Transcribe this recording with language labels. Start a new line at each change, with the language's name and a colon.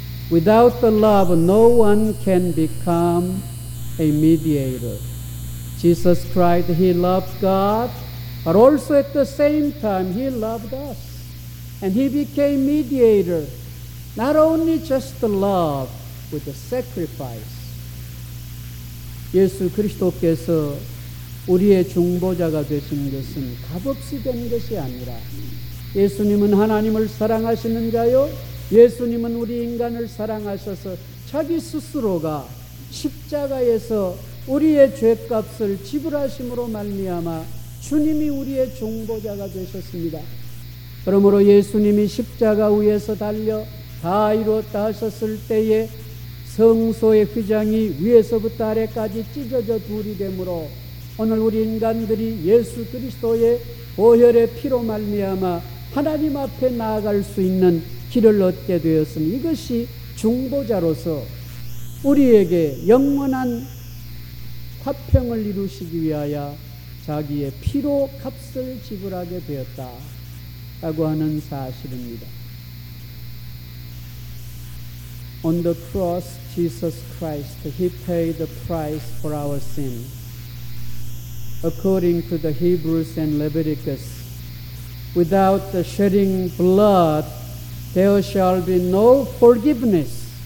English: Without the love, no one can become a mediator. Jesus Christ, He loved God, but also at the same time, He loved us. And He became mediator, not only just the love, but the sacrifice.
Korean: 예수 그리스도께서 우리의 중보자가 되신 것은 값없이 된 것이 아니라 예수님은 하나님을 사랑하시는 자요 예수님은 우리 인간을 사랑하셔서 자기 스스로가 십자가에서 우리의 죄값을 지불하심으로 말미암아 주님이 우리의 중보자가 되셨습니다. 그러므로 예수님이 십자가 위에서 달려 다 이루었다 하셨을 때에 성소의 휘장이 위에서부터 아래까지 찢어져 둘이 되므로 오늘 우리 인간들이 예수 그리스도의 보혈의 피로 말미암아 하나님 앞에 나아갈 수 있는 길을 얻게 되었으니 이것이 중보자로서 우리에게 영원한 화평을 이루시기 위하여 자기의 피로 값을 지불하게 되었다라고 하는 사실입니다.
English: On the cross, Jesus Christ, He paid the price for our sin. According to the Hebrews and Leviticus, without the shedding blood, there shall be no forgiveness.